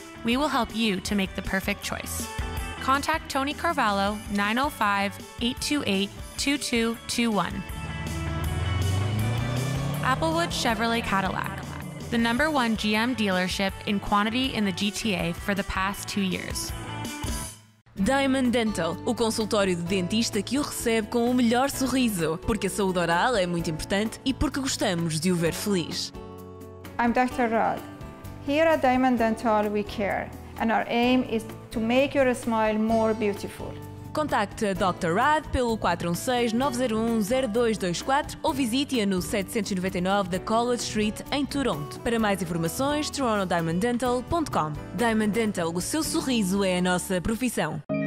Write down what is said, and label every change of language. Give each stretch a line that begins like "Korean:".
English: We will help you to make the perfect choice. Contact Tony Carvalho, 905-828-2221. Applewood Chevrolet Cadillac, the number one GM dealership in quantity in the GTA for the past 2 years.
Portuguese: Diamond Dental, o consultório de dentista que o recebe com o melhor sorriso, porque a saúde oral é muito importante e porque gostamos de o ver feliz.
English: I'm Dr. Rod. Here at Diamond Dental we care, and our aim is to make your smile more beautiful.
Portuguese: Contacte a Dr. Rad pelo 416-901-0224 ou visite-a no 799 da College Street, em Toronto. Para mais informações, torontodiamonddental.com. Diamond Dental, o seu sorriso é a nossa profissão.